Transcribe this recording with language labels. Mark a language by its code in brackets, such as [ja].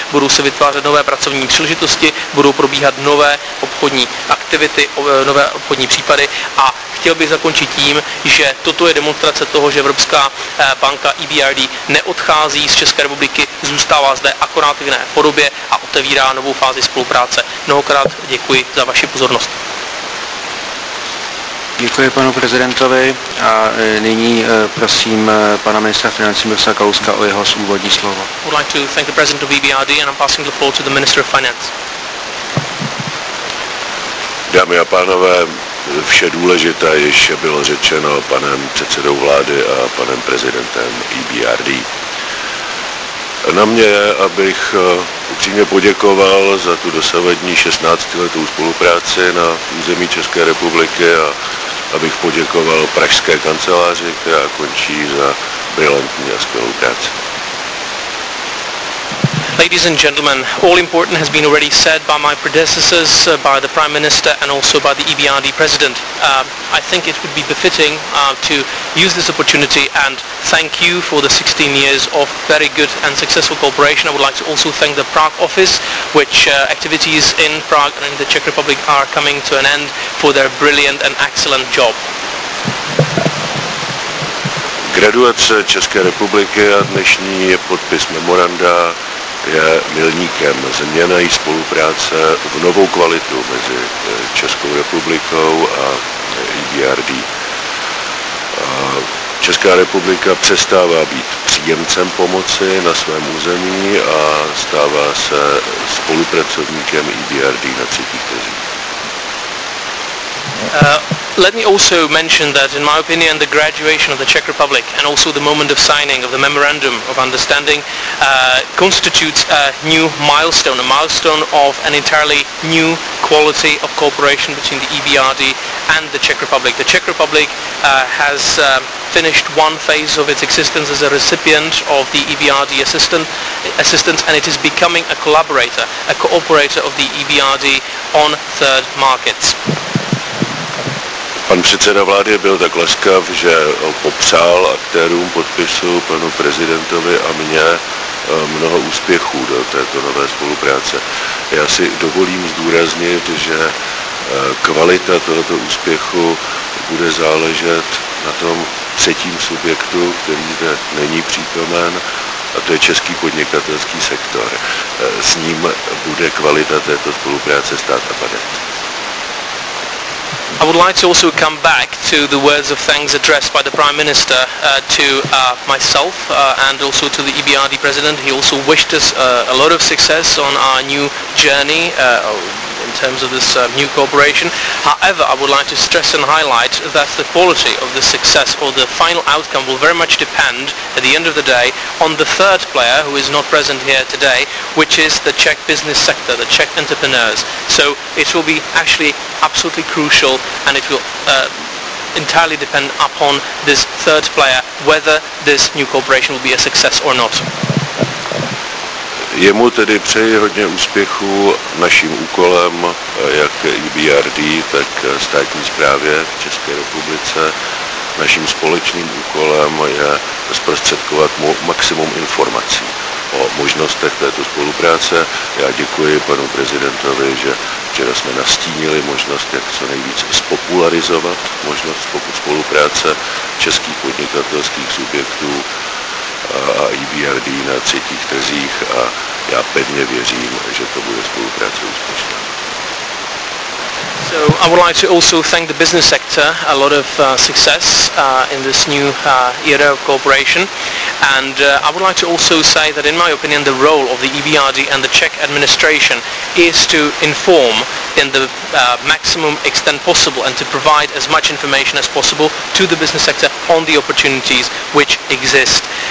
[cs] Budou se vytvářet nové pracovní příležitosti, budou probíhat nové obchodní aktivity, nové obchodní případy a chtěl bych zakončit tím, že toto je demonstrace toho, že Evropská banka EBRD neodchází z České republiky, zůstává zde akorát v jiné podobě a otevírá novou fázi spolupráce. Mnohokrát děkuji za vaši pozornost. Děkuji panu prezidentovi a nyní prosím pana ministra financí Miroslava Kalouska o jeho úvodní slovo. [en] I would like to thank the president of EBRD and I'm passing the floor to the minister of finance. [cs] Dámy a pánové, vše důležité již bylo řečeno panem předsedou vlády a panem prezidentem EBRD. Na mě je, abych upřímně poděkoval za tu dosavadní 16-letou spolupráci na území České republiky a abych poděkoval pražské kanceláři, která končí, za brilantní a skvělou práci. [en] Ladies and gentlemen, all important has been already said by my predecessors, by the Prime Minister and also by the EBRD President. I think it would be befitting to use this opportunity and thank you for the 16 years of very good and successful cooperation. I would like to also thank the Prague office, which activities in Prague and in the Czech Republic are coming to an end, for their brilliant and excellent job. [cs] Graduace České republiky a dnešní je podpis memoranda je milníkem změny spolupráce v novou kvalitu mezi Českou republikou a EBRD. Česká republika přestává být příjemcem pomoci na svém území a stává se spolupracovníkem EBRD na třetích trzích. [en] Let me also mention that, in my opinion, the graduation of the Czech Republic and also the moment of signing of the Memorandum of Understanding constitutes a new milestone, a milestone of an entirely new quality of cooperation between the EBRD and the Czech Republic. The Czech Republic has finished one phase of its existence as a recipient of the EBRD assistance and it is becoming a collaborator, a cooperator of the EBRD on third markets. [cs] Pan předseda vlády byl tak laskav, že popřál aktérům podpisu, panu prezidentovi a mně, mnoho úspěchů do této nové spolupráce. Já si dovolím zdůraznit, že kvalita tohoto úspěchu bude záležet na tom třetím subjektu, který zde není přítomen, a to je český podnikatelský sektor. S ním bude kvalita této spolupráce stát a padat. [en] I would like to also come back to the words of thanks addressed by the Prime Minister to myself and also to the EBRD President. He also wished us a lot of success on our new journey in terms of this new cooperation. However, I would like to stress and highlight that the quality of the success or the final outcome will very much depend, at the end of the day, on the third player who is not present here today, which is the Czech business sector, the Czech entrepreneurs. So it will be actually absolutely crucial and it will entirely depend upon this third player, whether this new cooperation will be a success or not. [cs] Jemu tedy přeji hodně úspěchů. Naším úkolem, jak EBRD, tak státní správě v České republice, naším společným úkolem je zprostředkovat mu maximum informací o možnostech této spolupráce. Já děkuji panu prezidentovi, že včera jsme nastínili možnost, jak co nejvíc spopularizovat možnost spolupráce českých podnikatelských subjektů a EBRD na třetích trzích a já pevně věřím, že to bude spolupráce úspěšná. [en] So I would like to also thank the business sector, a lot of success in this new era of cooperation. And I would like to also say that in my opinion the role of the EBRD and the Czech administration is to inform in the maximum extent possible and to provide as much information as possible to the business sector on the opportunities which exist.